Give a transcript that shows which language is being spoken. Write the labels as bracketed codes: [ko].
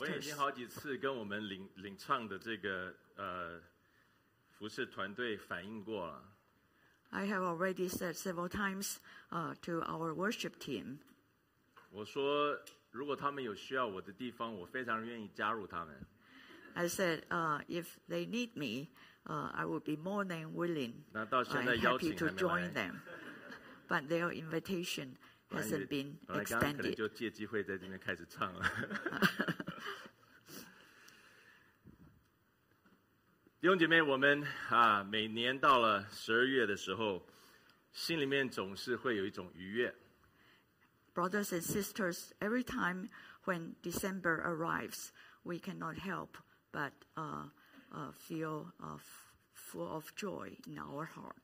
[zh] 我已经好几次跟我们领唱的这个服事团队反映过了。 [en] I have already said several times, to our worship team. [zh] 我说，如果他们有需要我的地方，我非常愿意加入他们。 [en] I said, if they need me, I would be more than willing. [zh] 那到现在邀请还没来。 [en] I'm happy to join them, but their invitation. Hasn't been extended. [zh] 本来刚刚可能就借机会在这边开始唱了。弟兄姐妹，我们每年到了十二月的时候，心里面总是会有一种愉悦。 [en] Brothers and sisters, every time when December arrives, we cannot help but feel full of joy in our hearts.